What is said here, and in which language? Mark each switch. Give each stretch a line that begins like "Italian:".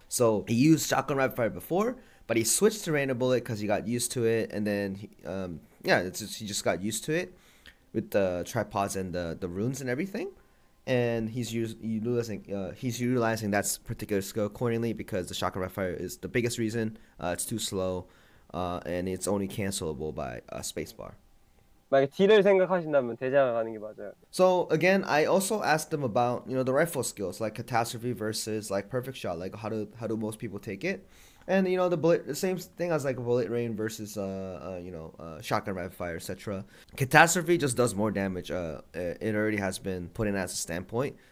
English: So he used shotgun rapid fire before, but he switched to rain of bullet because he got used to it, and then he just got used to it with the tripods and the runes and everything, and he's utilizing that particular skill accordingly because the shotgun rapid fire is the biggest reason. It's too slow, and it's only cancelable by a space bar.
Korean: 만약에 딜을 생각하신다면 대장을 가는 게 맞아요.
English: So again, I also asked them about, the rifle skills, like Catastrophe versus like Perfect Shot, like how do most people take it? And the bullet, the same thing as like a bullet rain versus shotgun rapid fire, etc. Catastrophe just does more damage. It already has been put in as a standpoint.